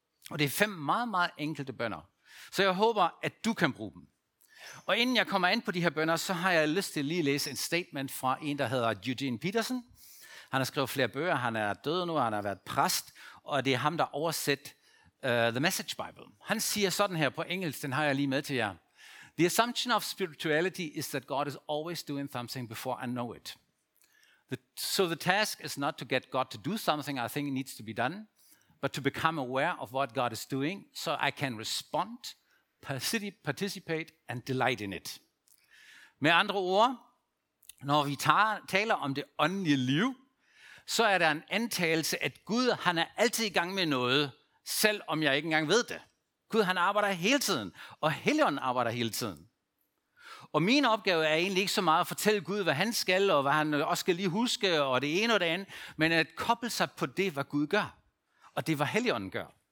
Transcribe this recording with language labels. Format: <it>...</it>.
<da>Og det er 5 meget, meget enkelte bønner. Så jeg håber, at du kan bruge dem. Og inden jeg kommer ind på de her bønner, så har jeg lyst til lige at læse en statement fra en, der hedder Eugene Peterson. Han har skrevet flere bøger. Han er død nu, han har været præst. Og det er ham, der oversætter The Message Bible. Han siger sådan her på engelsk, den har jeg lige med til jer.</da> <en>The assumption of spirituality is that God is always doing something before I know it. So the task is not to get God to do something I think needs to be done, but to become aware of what God is doing so I can respond, participate and delight in it.</en> <da>Med andre ord, når vi taler om det åndelige liv, så er der en antagelse, at Gud han er altid i gang med noget, selv om jeg ikke engang ved det. Gud han arbejder hele tiden, og Helligånden arbejder hele tiden. Og min opgave er egentlig ikke så meget at fortælle Gud, hvad han skal, og hvad han også skal lige huske, og det ene og det andet, men at koble sig på det, hvad Gud gør. Og det, hvad Helligånden gør.</da>